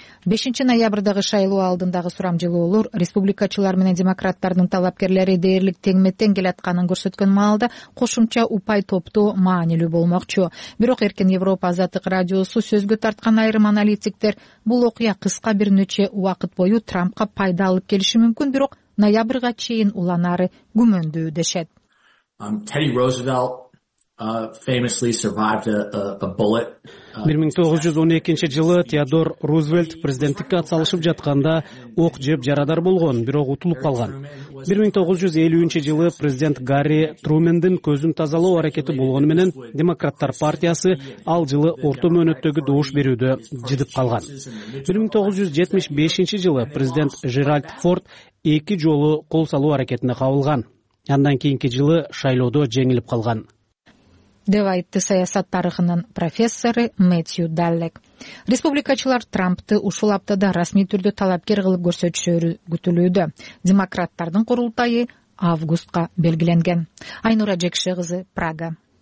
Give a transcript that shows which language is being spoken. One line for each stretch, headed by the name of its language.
Kyrgyz: 5-ноябрдагы шайлоо алдындагы сурамжылоолор республикачылар менен демократтардын талапкерлери дээрлик теңметтен келатканын көрсөткөн маалда кошумча упай топтоо маанилүү болмокчу. Бирок Эркин Европа Азаттык радиосу сөзгө тарткан айрым аналитиктер бул окуя кыска бир нече убакыт бою Трампка пайда алып келиши мүмкүн, бирок ноябрга чейин уланары күмөндү дешет.
English: Teddy Roosevelt famously survived a bullet.
Kyrgyz: 1912 жылы Теодор Рузвельт президенттикке атсалышып жатканда ок жеп жарадар болгон, бирок утулуп калган. 1950 жылы президент Гарри Трумендин көзүн тазалоо аракети болгону менен Демократтар партиясы ал жылы орто мөөнөттөгү добуш берүүдө жыдып калган. 1975 жылы президент Жеральд Форд эки жолу кол салуу аракетине кабылган. Андан кийинки жылы шайлоодо жеңилип калган. Деп айтты саясат тарыхынын профессору Мэтью Даллек. Республикачылар Трампты ушул аптада расмий түрдө талапкер кылып көрсөтүшү күтүлүүдө. Демократтардын курултайы августка белгиленген. Айнура Жекши кызы, Прага.